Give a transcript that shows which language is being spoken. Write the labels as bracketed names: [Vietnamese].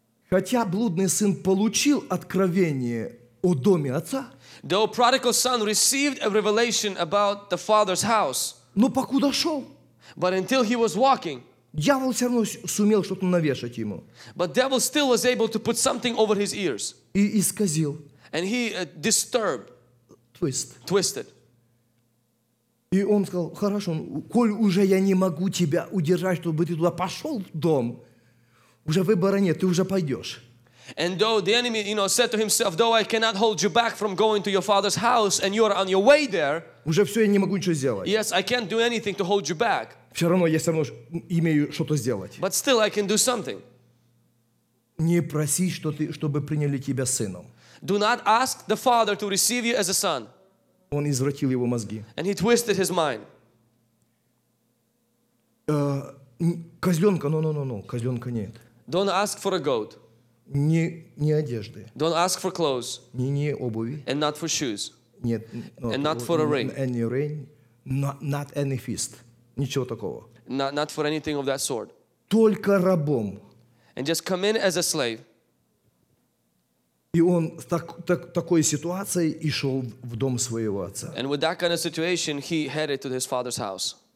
[Russian] Хотя блудный сын получил откровение о доме отца, [English] though prodigal son received a revelation about the father's house, [Russian] но покуда шел, [English] but until he was walking, [Russian] дьявол все равно сумел что-то навешать ему, [English] but devil still was able to put something over his ears, [Russian] и исказил, [English] and he disturbed, twisted. [Russian] И он сказал: хорошо, коль уже я не могу тебя удержать, чтобы ты туда пошел в дом, уже выбора нет, ты уже пойдешь. [English] And though the enemy, you know, said to himself, though I cannot hold you back from going to your father's house and you are on your way there. [Russian] Уже все, я не могу ничего сделать. [English] Yes, I can't do anything to hold you back. [Russian] Все равно я все равно имею что-то сделать. [English] But still I can do something. [Russian] Не проси, что ты, чтобы приняли тебя сыном. [English] Do not ask the father to receive you as a son. [Russian] Он извратил его мозги. [English] And he twisted his mind. [Russian] Козленка, [English] no, [Russian] козленка нет. [English] Don't ask for a goat. [Russian] Не одежды. [English] Don't ask for clothes. [Russian] Не обуви. [English] And not for shoes. [Russian] Нет. [English] And not for a ring. Any ring. Not any fist. [Russian] Ничего такого. [English] Not for anything of that sort. [Russian] Только рабом. [English] And just come in as a slave. [Russian] И он такой ситуацией и шел в дом своего отца. [English] And with that kind of situation, he headed to his father's house.